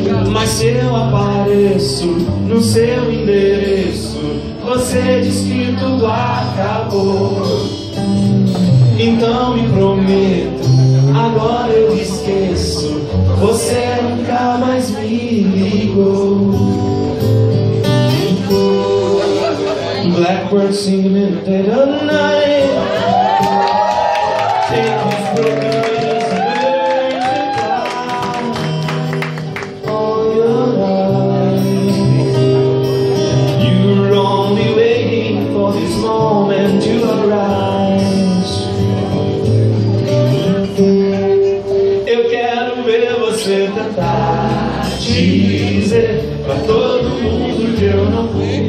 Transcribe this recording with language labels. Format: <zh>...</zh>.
<pt>Mas se eu apareço no seu endereço, você diz que tudo acabou. Então me prometo, agora eu esqueço, você nunca mais me ligou.</pt> <en>Blackbird singing in the dead of night. Take his broken wings and learn to fly all your life. You're only waiting for this moment to arise.</en> <pt>Eu quero ver você tentar dizer pra todo mundo que eu não fui.</pt>